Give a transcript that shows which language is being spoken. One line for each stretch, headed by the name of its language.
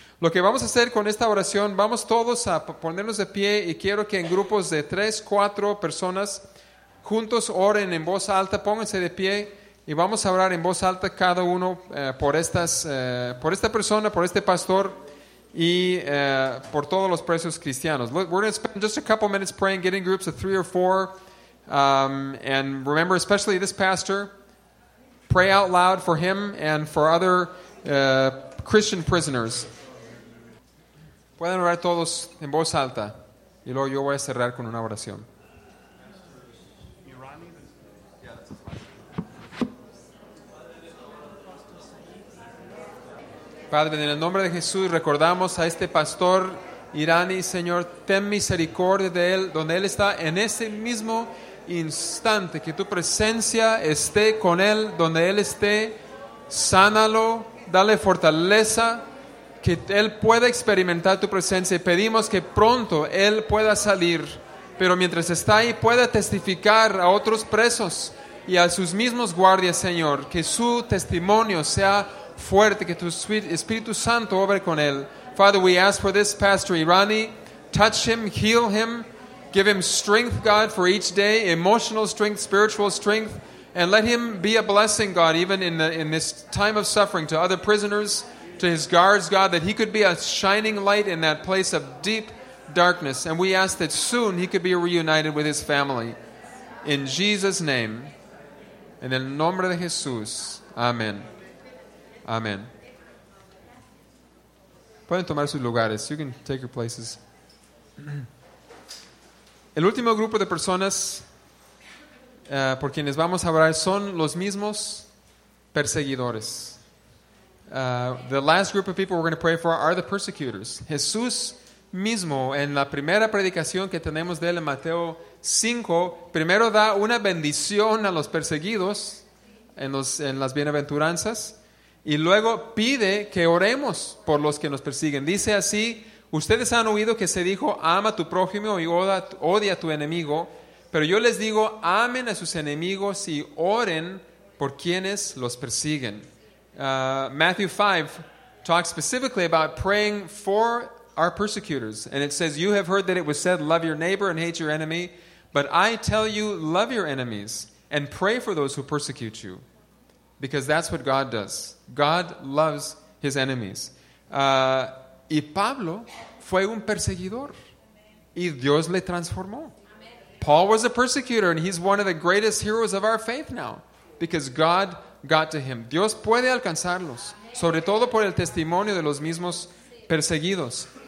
Spanish: Lo que vamos a hacer con esta oración, vamos todos a ponernos de pie y quiero que en grupos de 3-4 personas juntos oren en voz alta. Pónganse de pie y vamos a orar en voz alta cada uno por esta persona, por este pastor y por todos los presos cristianos.
English: We're going to spend just a couple minutes praying, get in groups of 3 or 4. And remember, especially this pastor, pray out loud for him and for other Christian prisoners.
Spanish: Pueden orar todos en voz alta, y luego yo voy a cerrar con una oración. Padre, en el nombre de Jesús, recordamos a este pastor Irani, Señor, ten misericordia de él, donde él está en ese mismo instante, que tu presencia esté con él, donde él esté, sánalo, dale fortaleza, que él pueda experimentar tu presencia, y pedimos que pronto él pueda salir, pero mientras está ahí, pueda testificar a otros presos y a sus mismos guardias, Señor, que su testimonio sea fuerte, que tu Espíritu Santo obre con él.
English: Father, we ask for this pastor Irani, touch him, heal him, give him strength, God, for each day, emotional strength, spiritual strength, and let him be a blessing, God, even in this time of suffering, to other prisoners, to his guards, God, that he could be a shining light in that place of deep darkness. And we ask that soon he could be reunited with his family. In Jesus' name,
Spanish: en el nombre de Jesús, amén. Amén. Pueden tomar sus lugares.
English: You can take your places.
Spanish: El último grupo de personas por quienes vamos a orar son los mismos perseguidores.
English: The last group of people we're going to pray for are the persecutors.
Spanish: Jesús mismo, en la primera predicación que tenemos de él en Mateo 5, primero da una bendición a los perseguidos en las bienaventuranzas. Y luego pide que oremos por los que nos persiguen. Dice así, ustedes han oído que se dijo, ama a tu prójimo y odia a tu enemigo. Pero yo les digo, amen a sus enemigos y oren por quienes los persiguen.
English: Matthew 5 talks specifically about praying for our persecutors. And it says, you have heard that it was said, love your neighbor and hate your enemy. But I tell you, love your enemies and pray for those who persecute you. Because that's what God does. God loves his enemies.
Spanish: Y Pablo fue un perseguidor. Y Dios le transformó.
English: Paul was a persecutor, and he's one of the greatest heroes of our faith now. Because God got to him.
Spanish: Dios puede alcanzarlos. Sobre todo por el testimonio de los mismos perseguidos.